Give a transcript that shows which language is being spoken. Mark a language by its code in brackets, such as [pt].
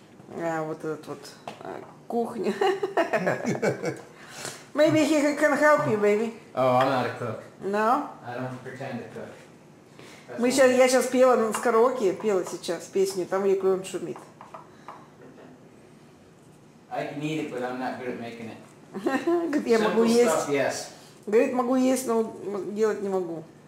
[ru] Вот этот вот кухня. [en] Maybe he can help you, baby. Oh, I'm not a cook. No? I don't pretend to cook. [ru] Мы сейчас, я сейчас пела с караоке, пела сейчас песню, там ей клюн шумит. [en] I can eat it, but I'm not good at making it. [ru] Говорит, я могу есть. [en] Simple stuff, yes. [ru] Говорит, могу есть, но делать не могу.